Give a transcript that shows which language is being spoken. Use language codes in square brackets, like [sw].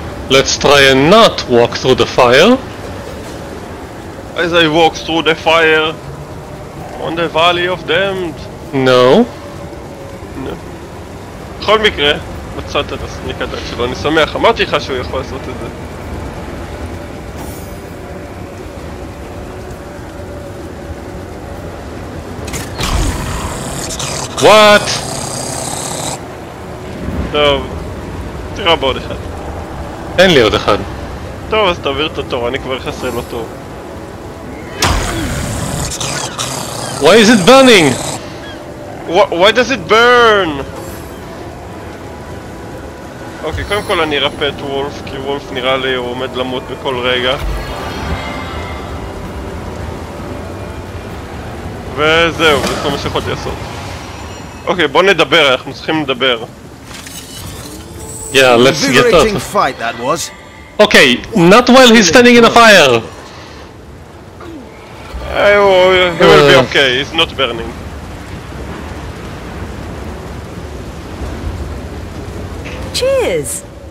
[en] Let's try and not walk through the fire. As I walk through the fire on the valley of damned. No. [he] בכל מקרה, מצאת את הסניק הדק שלו, אני שמח, אמרתי לך שהוא יכול לעשות את זה. [en] What? [he] טוב, תראה בעוד אחד. אין לי עוד אחד. טוב, אז תעביר את התור, אני כבר חסר לו תור. [en] Why is it burning? Why does it burn? [he] אוקיי, קודם כל אני ארפא את וולף, כי וולף נראה לי הוא עומד למות בכל רגע. וזהו, זה כל מה שיכולתי לעשות. אוקיי, בוא נדבר, אנחנו צריכים לדבר. [en] Yeah, let's get up. Invigorating fight that was. Okay, not while he's standing in a fire. He will be okay, he's not burning. Cheers!